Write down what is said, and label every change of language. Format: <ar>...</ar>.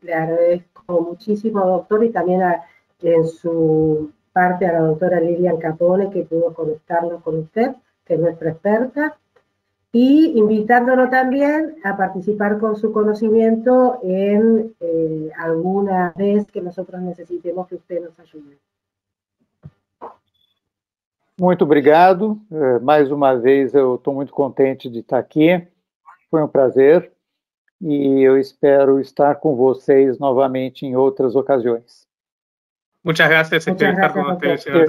<es>Le agradezco muchísimo, doctor, y también en su parte a la doctora Lilian Capone, que pudo conectarnos con usted, que es nuestra experta, y invitándolo también a participar con su conocimiento en alguna vez que nosotros necesitemos que usted nos ayude.</es> <pt>Muito obrigado. Mais uma vez, eu estou muito contente de estar aqui. Foi um prazer. E eu espero estar com vocês novamente em outras ocasiões.</pt> <es>Muchas gracias por estar con ustedes.</es>